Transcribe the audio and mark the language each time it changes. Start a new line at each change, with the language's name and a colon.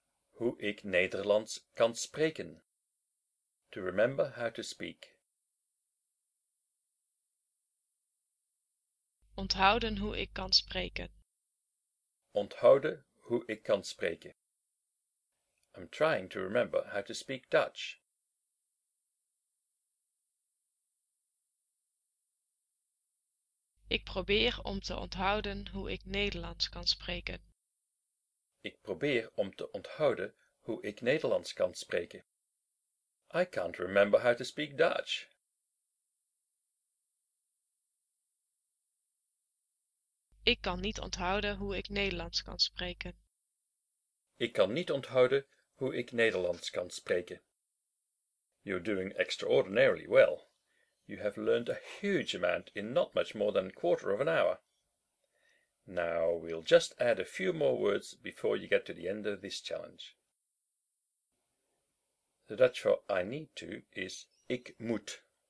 Dutch: Hoe ik Nederlands kan spreken.
English: To remember how to speak.
Dutch: Onthouden hoe ik kan spreken. Onthouden hoe ik kan spreken.
English: I'm trying to remember how to speak Dutch.
Dutch: Ik probeer om te onthouden hoe ik Nederlands kan spreken. Ik probeer om te onthouden hoe ik Nederlands kan spreken.
English: I can't remember how to speak Dutch.
Dutch: Ik kan niet onthouden hoe ik Nederlands kan spreken. Ik kan niet onthouden hoe ik Nederlands kan spreken.
English: You're doing extraordinarily well. You have learned a huge amount in not much more than a quarter of an hour. Now we'll just add a few more words before you get to the end of this challenge. The Dutch for I need to is
Dutch: ik moet.